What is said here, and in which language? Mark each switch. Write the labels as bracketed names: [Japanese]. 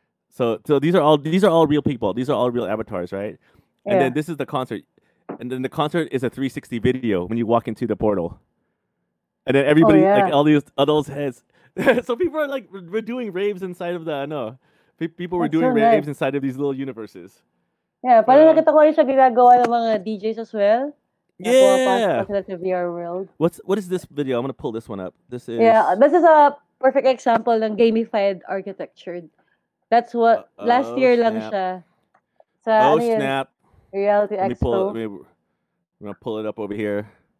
[English] So these are all real people. These are all real avatars, right? Yeah. And then this is the concert. And then the concert is a 360 video when you walk into the portal. And then everybody like all these adults heads. So people are like we're doing raves inside of the people were doing raves inside of these little universes. [Filipino] Yeah, parang nakita ko rin siya ginagawa ng mga DJs [English] as well. Yeah! [Filipino] Sa VR world. [English] What is this video? I'm gonna pull this one up. This is... Yeah, this is a perfect example [Filipino] ng [English] gamified architecture. That's what... last year [Filipino] lang siya. [English] Snap. Reality Expo. I'm gonna pull it up over here.